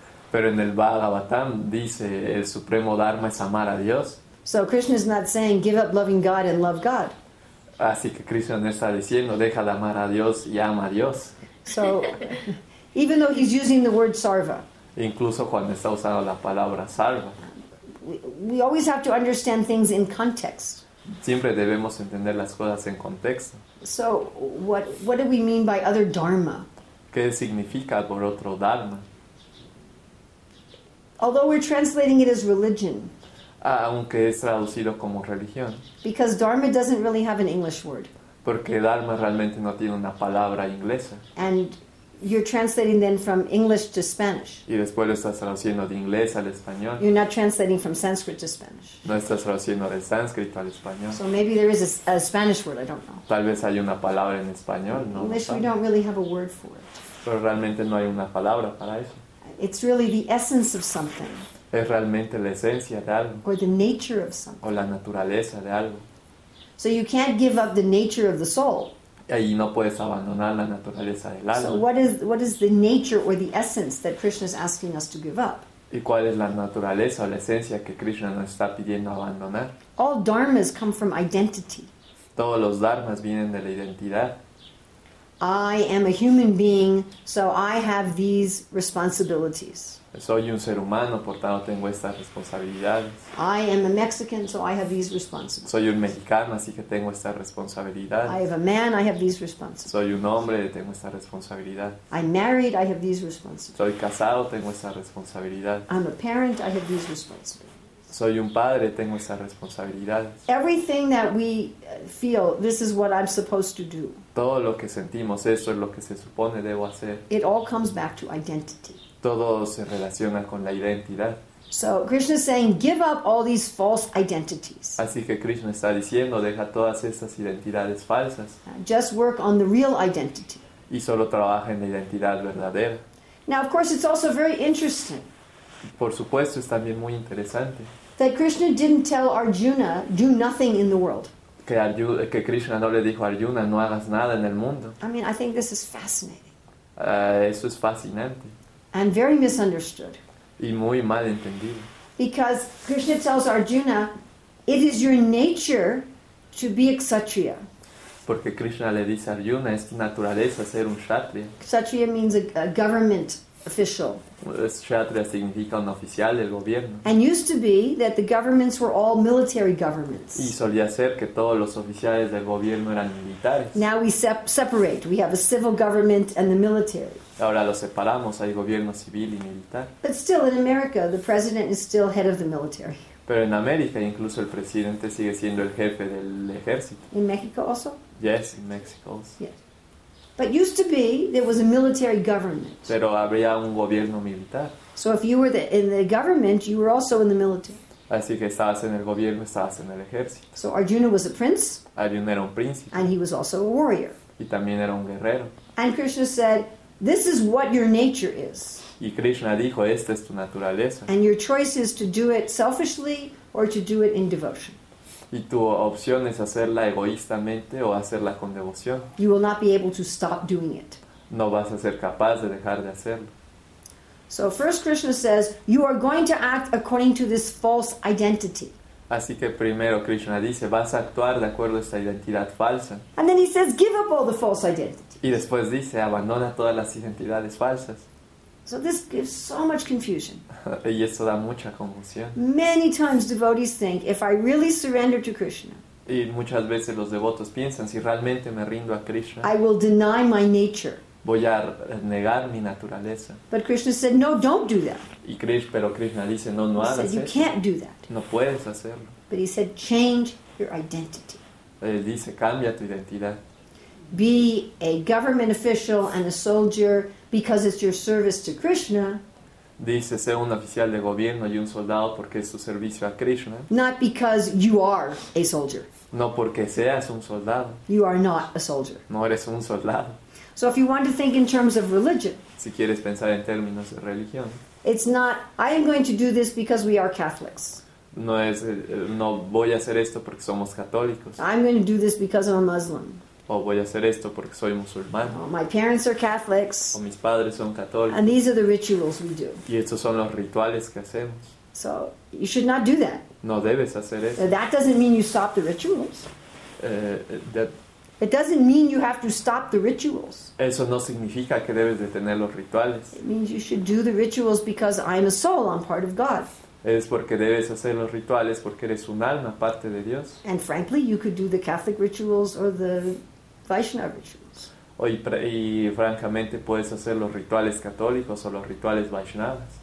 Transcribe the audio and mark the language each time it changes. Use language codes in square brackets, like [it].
[es] Pero en el Bhagavatam dice el supremo dharma es amar a Dios. [en] So Krishna is not saying give up loving God and love God. [es] Así que Krishna no está diciendo deja de amar a Dios y ama a Dios. [en] So even though he's using the word sarva. [es] Incluso cuando está usando la palabra sarva. [en] We always have to understand things in context. [es] Siempre debemos entender las cosas en contexto. [en] So, what do we mean by other dharma? [es] ¿Qué significa por otro dharma? [en] Although we're translating it as religion. [es] Aunque es traducido como religión. [en] Because Dharma doesn't really have an English word. [es] Porque Dharma realmente no tiene una palabra inglesa. [en] And you're translating then from English to Spanish. [es] Y después lo estás traduciendo de inglés al español. [en] You're not translating from Sanskrit to Spanish. [es] No estás traduciendo de sánscrito al español. [en] So maybe there is a Spanish word, I don't know. [es] Tal vez hay una palabra en español, no. [en] English, we don't really have a word for it. [es] Pero realmente no hay una palabra para eso. [en] It's really the essence of something. [es] Es realmente la esencia de algo. [en] Or the nature of something. [es] O la naturaleza de algo. [en] So you can't give up the nature of the soul. [es] Y no puedes abandonar la naturaleza del alma. [en] So what is the nature or the essence that Krishna is asking us to give up? [es] ¿Y cuál es la naturaleza o la esencia que Krishna nos está pidiendo abandonar? [en] All dharmas come from identity. [es] Todos los dharmas vienen de la identidad. [en] I am a human being, so I have these responsibilities. [es] Soy un ser humano, por tanto tengo estas responsabilidades. [en] I am a Mexican, so I have these responsibilities. [es] Soy un mexicano, así que tengo estas responsabilidades. [en] I am a man, I have these responsibilities. [es] Soy un hombre, tengo esta responsabilidad. [en] I'm married, I have these responsibilities. [es] Soy casado, tengo esta responsabilidad. [en] I'm a parent, I have these responsibilities. [es] Soy un padre, tengo estas responsabilidades. [en] Everything that we feel, this is what I'm supposed to do. [es] Todo lo que sentimos, eso es lo que se supone debo hacer. [en] It all comes back to identity. [es] Todo se relaciona con la identidad. [en] So Krishna is saying, give up all these false identities. [es] Así que Krishna está diciendo, deja todas estas identidades falsas. [en] Just work on the real identity. [es] Y solo trabaja en la identidad verdadera. [en] Now, of course, it's also very interesting. [es] Por supuesto, es también muy interesante. [en] That Krishna didn't tell Arjuna, do nothing in the world. [es] Que Krishna no le dijo a Arjuna, no hagas nada en el mundo. [en] I mean, I think this is fascinating. [es] Eso es fascinante. [en] And very misunderstood. [es] Y muy mal entendido. [en] Because Krishna tells Arjuna, it is your nature to be a kshatriya. [es] Porque Krishna le dice a Arjuna, es tu naturaleza ser un kshatriya. [en] Kshatriya means a government official. [es] Kshatriya significa un oficial del gobierno. [en] And used to be that the governments were all military governments. [es] Y solía ser que todos los oficiales del gobierno eran militares. [en] Now we separate. We have a civil government and the military. [es] Ahora los separamos, hay gobierno civil y militar. [en] But still in America, the president is still head of the military. [es] Pero en América incluso el presidente sigue siendo el jefe del ejército. [en] In Mexico also? Yes, in Mexico also. Yes. But used to be there was a military government. [es] Pero había un gobierno militar. [en] So if you were in the government, you were also in the military. [es] Así que estabas en el gobierno, estabas en el ejército. [en] So Arjuna was a prince. [es] Arjuna era un príncipe. [en] And he was also a warrior. [es] Y también era un guerrero. [en] And Krishna said, this is what your nature is. [es] Y Krishna dijo, esta es tu naturaleza. [en] And your choice is to do it selfishly or to do it in devotion. [es] Y tu opción es hacerla egoístamente o hacerla con devoción. [en] You will not be able to stop doing it. [es] No vas a ser capaz de dejar de hacerlo. [en] So first Krishna says, you are going to act according to this false identity. [es] Así que primero Krishna dice, vas a actuar de acuerdo a esta identidad falsa. [en] And then he says, give up all the false identities. [es] Y después dice, abandona todas las identidades falsas. [en] So this gives so much confusion. [es] Y eso da mucha confusión. [en] Many times devotees think, if I really surrender to Krishna. [es] Y muchas veces los devotos piensan, si realmente me rindo a Krishna. [en] I will deny my nature. [es] Voy a negar mi naturaleza. [en] But Krishna said, no, don't do that. [es] Pero Krishna dice, no, no hagas eso. [en] He said, you can't do that. [es] No puedes hacerlo. [en] But he said, change your identity. [es] Él dice, cambia tu identidad. [en] Be a government official and a soldier because it's your service to Krishna. [es] Dice, sé un oficial de gobierno y un soldado porque es tu servicio a Krishna. [en] Not because you are a soldier. [es] No porque seas un soldado. [en] You are not a soldier. [es] No eres un soldado. [en] So if you want to think in terms of religion. [es] Si quieres pensar en términos de religión. [en] It's not, I am going to do this because we are Catholics. [es] No voy a hacer esto porque somos católicos. [en] I'm going to do this because I'm a Muslim. [es] O voy a hacer esto porque soy musulmán. Oh, [en] my parents are Catholics. [es] O mis padres son católicos. [en] And these are the rituals we do. [es] Y estos son los rituales que hacemos. [en] So you should not do that. [es] No debes hacer eso. [en] That doesn't mean you stop the rituals. It doesn't mean you have to stop the rituals. [es] Eso no significa que debes detener los rituales. [en] It means you should do the rituals because I'm a soul, I'm part of God. [es] Es porque debes hacer los rituales porque eres un alma, parte de Dios. [en] And frankly, you could do the Catholic rituals or the Vaishnava rituals. [es] Y francamente puedes hacer los rituales católicos o los rituales Vaishnavas.